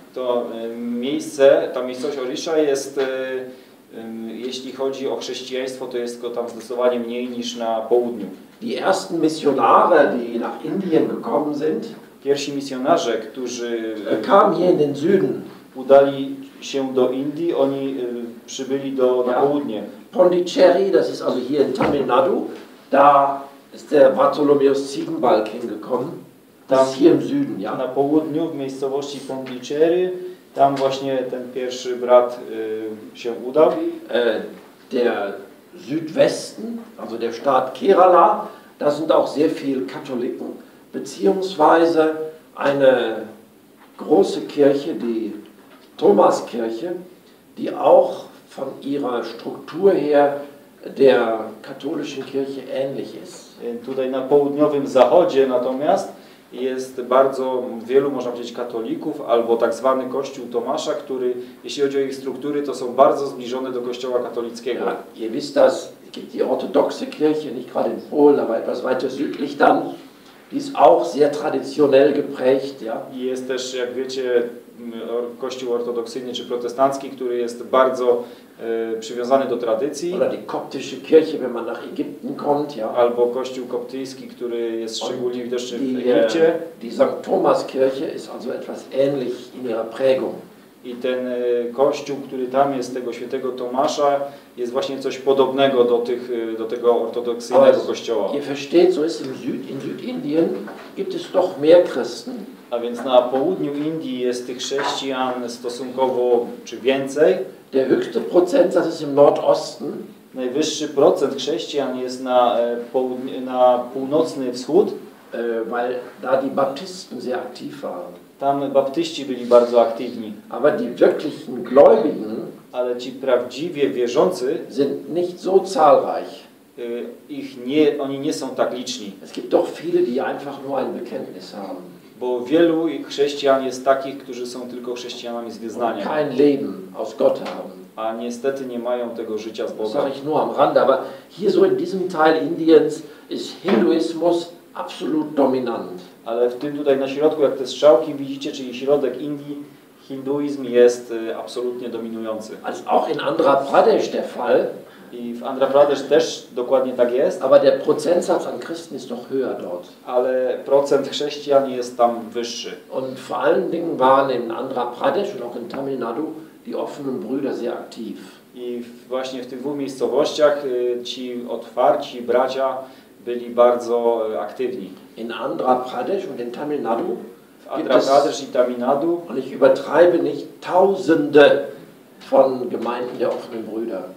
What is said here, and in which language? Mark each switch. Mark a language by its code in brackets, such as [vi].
[pl] To miejsce, ta miejscowość Odisha jest, jeśli chodzi o chrześcijaństwo, to jest go tam zdecydowanie mniej niż na południu. [de] Die ersten Missionare, die nach Indien gekommen sind, [pl] pierwsi misjonarze, którzy [de] kamen hier in den Süden, [pl] udali się do Indii, oni przybyli do, na południe. [de] Pondicherry, das ist also hier in Tamil Nadu, da ist der Bartholomäus Ziegenbalg hingekommen. Das ist hier im Süden, ja. [pl] Na południu, w miejscowości Pondicherry, tam właśnie ten pierwszy brat się udał. [de] Der Südwesten, also der Staat Kerala, da sind auch sehr viele Katholiken, beziehungsweise eine große Kirche, die Thomaskirche, die auch von ihrer Struktur her der katholischen Kirche ähnlich ist. [pl] Tutaj na południowym zachodzie natomiast jest bardzo wielu, można powiedzieć, katolików albo tak zwany Kościół Tomasza, który, jeśli chodzi o ich struktury, to są bardzo zbliżone do Kościoła katolickiego. [de] Ihr wisst das, gibt die orthodoxe Kirche, nicht gerade in Polen, aber etwas weiter südlich dann, die ist auch sehr traditionell geprägt, ja. [pl] I jest też, jak wiecie, Kościół ortodoksyjny czy protestancki, który jest bardzo przywiązany do tradycji. [de] Oder die koptische Kirche, wenn man nach Ägypten kommt, ja. [pl] Albo kościół koptyjski, który jest szczególnie widoczny w Egipcie. [de] Die St. Thomas Kirche ist also etwas ähnlich in ihrer Prägung. [pl] I ten kościół, który tam jest, tego świętego Tomasza, jest właśnie coś podobnego do tych, do tego ortodoksyjnego kościoła. [de] Ihr versteht, so ist im Süd, in Südindien gibt es doch mehr Christen. [pl] A więc na południu Indii jest tych chrześcijan stosunkowo czy więcej. [de] Der höchste Prozentsatz ist im Nordosten. [pl] Najwyższy procent chrześcijan jest na północny wschód, [de] weil da die Baptisten sehr aktiv waren. [pl] Tam baptyści byli bardzo aktywni. [de] Aber die wirklichen Gläubigen, [pl] ale ci prawdziwie wierzący, [de] sind nicht so zahlreich. [pl] Ich nie, oni nie są tak liczni. [de] Es gibt doch viele, die einfach nur ein Bekenntnis haben. [pl] Bo wielu chrześcijan jest takich, którzy są tylko chrześcijanami z wyznania. [de] Kein Leben aus Gott haben. [pl] A niestety nie mają tego życia z Bogiem. [de] Sag ich nur am Rande, aber hier so in diesem Teil Indiens ist Hinduismus absolut dominant. [pl] Ale w tym tutaj na środku, jak te strzałki widzicie, czyli środek Indii, hinduizm jest absolutnie dominujący. [de] Als auch in Andhra Pradesh der Fall. [pl] I w Andhra Pradesh też dokładnie tak jest. [de] Aber der Prozentsatz an Christen ist noch höher dort. [pl] Ale procent chrześcijan jest tam wyższy. [de] Und vor allen Dingen waren in Andhra Pradesh und auch in Tamil Nadu die offenen Brüder sehr aktiv. [pl] I właśnie w tych dwóch miejscowościach ci otwarci bracia byli bardzo aktywni. [de] In Andhra Pradesh und in Tamil Nadu. [pl] W Andhra Pradesh i Tamil Nadu. [de] Und ich übertreibe nicht, tausende von Gemeinden der offenen Brüder.